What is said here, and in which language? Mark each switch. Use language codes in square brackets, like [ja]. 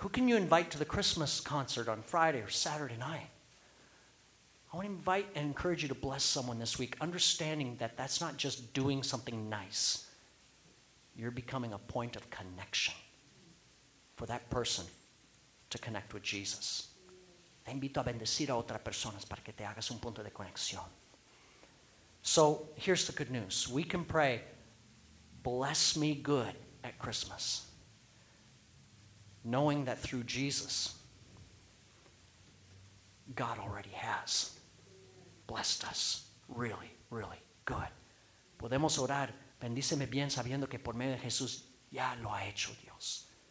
[en] Who can you invite to the Christmas concert on Friday or Saturday night? I want to invite and encourage you to bless someone this week, understanding that that's not just doing something nice. You're becoming a point of connection for that person to connect with Jesus. [es] Te invito a bendecir a otras personas para que te hagas un punto de conexión. [en] So here's the good news. We can pray, bless me good at Christmas, knowing that through Jesus, God already has blessed us really, really good. [es] Podemos orar, bendíceme bien sabiendo que por medio de Jesús ya lo ha hecho Dios.